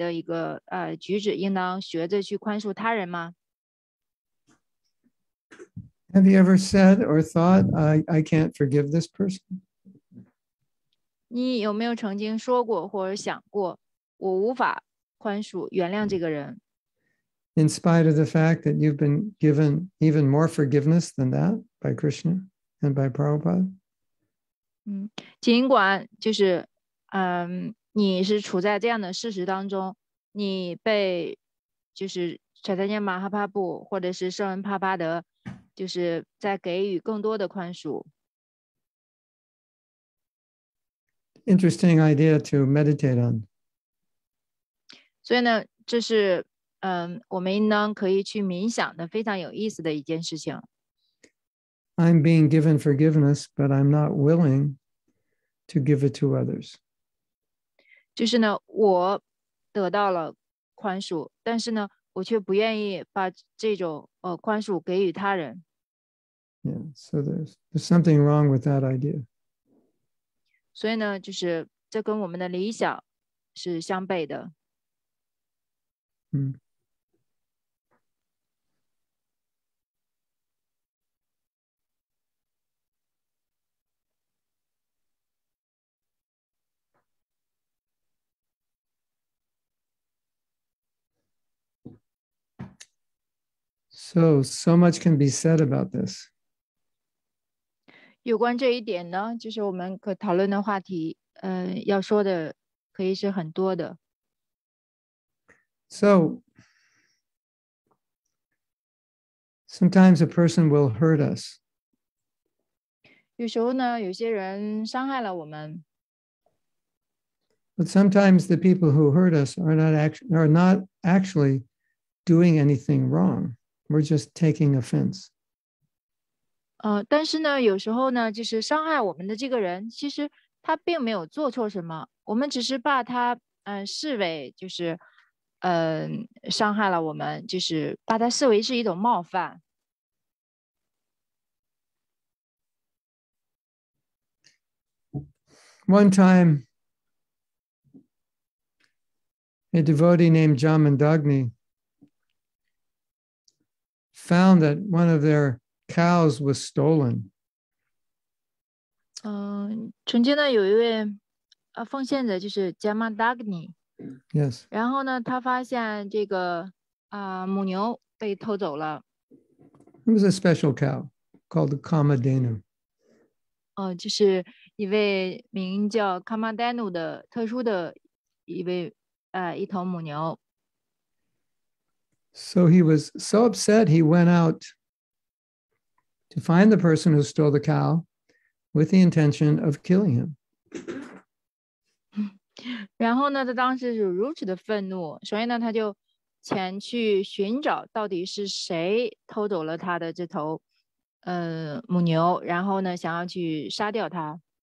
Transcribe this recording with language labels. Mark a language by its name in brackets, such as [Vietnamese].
[Chinese] 就是如果马哈巴布都宽恕了你的话,你认为这不应当是我们的一个就是行为的一个举止,应当学着去宽恕他人吗? [English] Have you ever said or thought, I can't forgive this person? [Chinese] 你有没有曾经说过或者想过,我无法宽恕,原谅这个人? [English] In spite of the fact that you've been given even more forgiveness than that by Krishna and by Prabhupada? [Chinese] 尽管就是你是处在这样的事实当中,你被就是查德尼马哈帕布或者是圣恩帕巴德 [English] Interesting idea to meditate on. So, [Chinese] 这是我们应当可以去冥想的非常有意思的一件事情。 [English] I'm being given forgiveness, but I'm not willing to give it to others. [Chinese] 就是呢，我得到了宽恕，但是呢，我却不愿意把这种宽恕给予他人。 [English] Yeah, so there's something wrong with that idea. [Chinese] 所以呢，就是这跟我们的理想是相悖的。 [English] So much can be said about this. [Chinese] 有关这一点呢，就是我们可讨论的话题，要说的可以是很多的。 [English] So, sometimes a person will hurt us. [Chinese] 有时候呢，有些人伤害了我们。 [English] But sometimes the people who hurt us are not actually doing anything wrong. We're just taking offense. [Chinese] 但是呢，有时候呢，就是伤害我们的这个人，其实他并没有做错什么，我们只是把他视为就是。伤害了我们，就是把它视为是一种冒犯。 [English] One time, a devotee named Jamandagni found that one of their cows was stolen. [Chinese] 曾经呢，有一位奉献者就是 Jamandagni。 [English] Yes. [Chinese] 然后呢，他发现这个母牛被偷走了。 [English] It was a special cow called the Kamadhenu. [Chinese] 就是一位名叫 Kamadhenu 的特殊的一头母牛。 [English] So he was so upset, he went out to find the person who stole the cow with the intention of killing him. [Chinese] 然后呢，他当时就如此的愤怒，所以呢，他就前去寻找到底是谁偷走了他的这头母牛，然后呢，想要去杀掉他。